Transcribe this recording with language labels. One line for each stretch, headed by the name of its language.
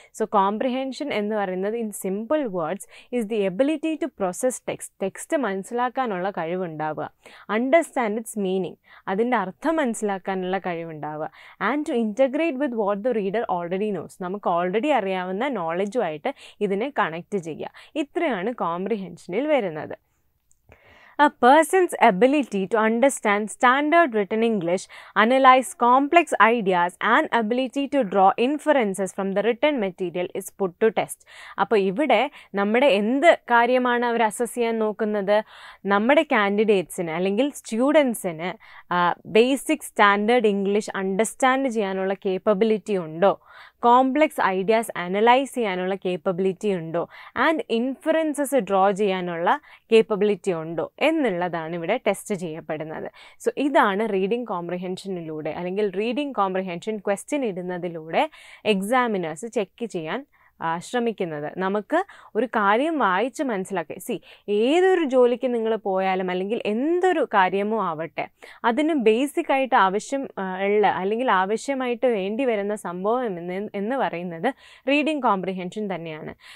English: so comprehension
Malayalam: എന്ന് പറയുന്നത്
English: in simple words is the ability to process text,
Malayalam: text മനസ്സിലാക്കാനുള്ള കഴിവുണ്ടാവുക.
English: understand its meaning,
Malayalam: അതിൻ്റെ അർത്ഥം മനസ്സിലാക്കാനുള്ള കഴിവുണ്ടാവുക.
English: and to integrate with what the reader already knows,
Malayalam: നമുക്ക് already അറിയാവുന്ന നോളജുമായിട്ട് ഇതിനെ കണക്റ്റ് ചെയ്യുക. ഇത്രയാണ് കോംപ്രിഹെൻഷനിൽ വരുന്നത്.
English: A person's ability to understand standard written English, analyze complex ideas, and ability to draw inferences from the written material is put to test.
Malayalam: Appo ivide nammade endu karyamaana avar assess cheyan nokkunnathu, nammade candidates ne allengil students ne basic standard English understand cheyanulla capability undo, complex ideas analyse ചെയ്യാനുള്ള capability ഉണ്ടോ, and inferences draw ചെയ്യാനുള്ള capability ഉണ്ടോ എന്നുള്ളതാണ് ഇവിടെ test ചെയ്യപ്പെടുന്നത്. So ഇതാണ് reading കോംപ്രിഹെൻഷനിലൂടെ അല്ലെങ്കിൽ reading comprehension question ഇടുന്നതിലൂടെ examiners check ചെയ്യാൻ ശ്രമിക്കുന്നത്. നമുക്ക് ഒരു കാര്യം വായിച്ച് മനസ്സിലാക്കി സി ഏതൊരു ജോലിക്ക് നിങ്ങൾ പോയാലും അല്ലെങ്കിൽ എന്തൊരു കാര്യമോ ആവട്ടെ അതിന് ബേസിക് ആയിട്ട് ആവശ്യം ഉള്ള അല്ലെങ്കിൽ ആവശ്യമായിട്ട് വേണ്ടി വരുന്ന സംഭവം എന്ന് പറയുന്നത് റീഡിങ് കോംപ്രിഹെൻഷൻ തന്നെയാണ്.